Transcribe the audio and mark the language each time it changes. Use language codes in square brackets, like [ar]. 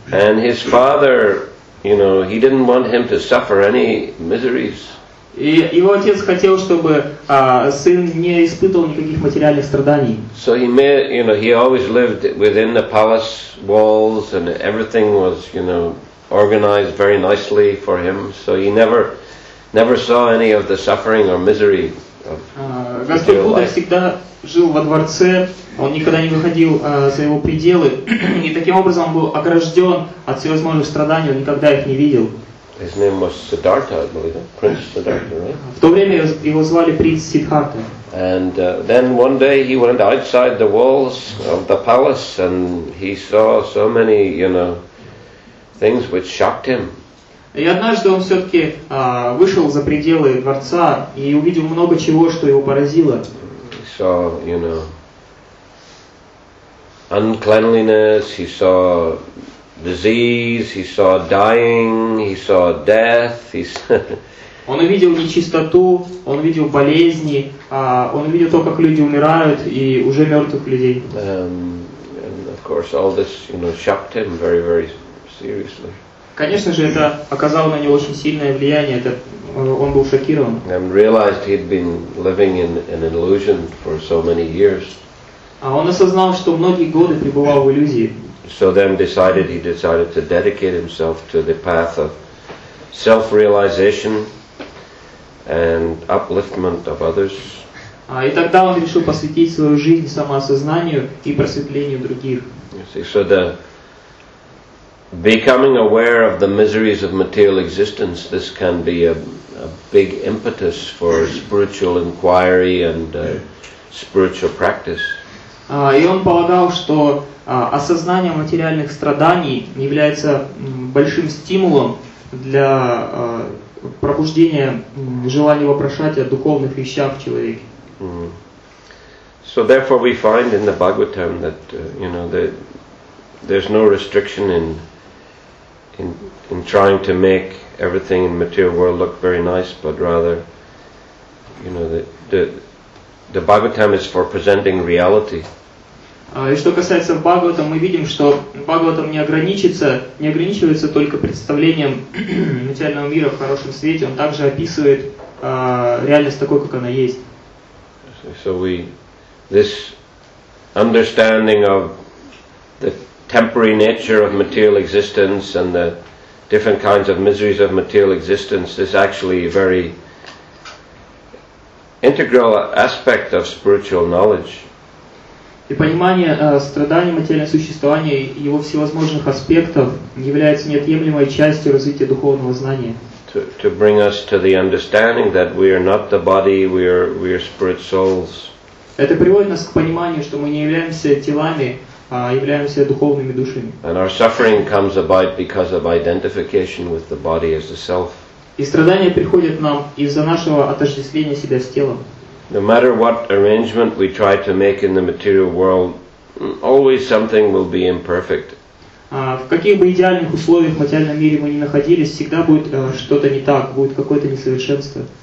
[en] And his father, you know, he didn't want him to suffer any miseries. [ru] И его отец хотел, чтобы сын не испытывал никаких материальных страданий. [en] So he made, you know, he always lived within the palace walls, and everything was, you know, organized very nicely for him. So he never saw any of the suffering or misery of [ru] Господь Будда [en] life. [ru] Всегда жил во дворце, он никогда не выходил за его пределы, и таким образом он был огражден от всевозможных страданий, он никогда их не видел. [en] His name was Siddhartha, I believe, Prince Siddhartha, right? [ru] В то время его звали принц Сиддхарта. [en] And then one day he went outside the walls of the palace and he saw so many, you know, things which shocked him. [ru] И однажды он все-таки вышел за пределы дворца и увидел много чего, что его поразило. [en] He saw, you know, uncleanliness, he saw disease, he saw dying, he saw death. [ru] Он увидел нечистоту, он увидел болезни, он увидел то, как люди умирают и уже мертвых людей. [en] And of course, all this, you know, shocked him very, very seriously. [ru] Конечно же, это оказало на него очень сильное влияние. Он был шокирован. [en] And realized he'd been living in an illusion for so many years. [ru] А он осознал, что многие годы пребывал в иллюзии. [en] So then he decided to dedicate himself to the path of self-realization and upliftment of others. [ru] И тогда он решил посвятить свою жизнь самоосознанию и просветлению других. [en] So the becoming aware of the miseries of material existence, this can be a big impetus for spiritual inquiry and spiritual practice. [ru] И он полагал, что осознание материальных страданий является большим стимулом для пробуждения желания вопрошать о духовных вещах в человеке. Mm-hmm. [en] So therefore we find in the Bhagavatam that, you know, that there's no restriction in trying to make everything in the material world look very nice, but rather, you know, the Bhagavatam is for presenting reality. [ru] И что касается Бхагавата, мы видим, что Бхагаватам не ограничивается только представлением материального мира в хорошем свете, он также описывает реальность такой, как она есть. [en] So we, this understanding of the temporary nature of material existence and the different kinds of miseries of material existence is actually a very integral aspect of spiritual knowledge. [ru] И понимание страданий материального существования и его всевозможных аспектов является неотъемлемой частью развития духовного знания. [en] To bring us to the understanding that we are not the body, we are spirit souls. [ru] Это приводит нас к пониманию, что мы не являемся телами, а являемся духовными душами. [en] And our suffering comes about because of identification with the body as the self. [ru] И страдания приходят нам из-за нашего отождествления себя с телом. [en] No matter what arrangement we try to make in the material world, always something will be imperfect. [ru] В каких бы идеальных условиях в материальном мире мы ни находились, всегда будет что-то не так, будет какое-то несовершенство.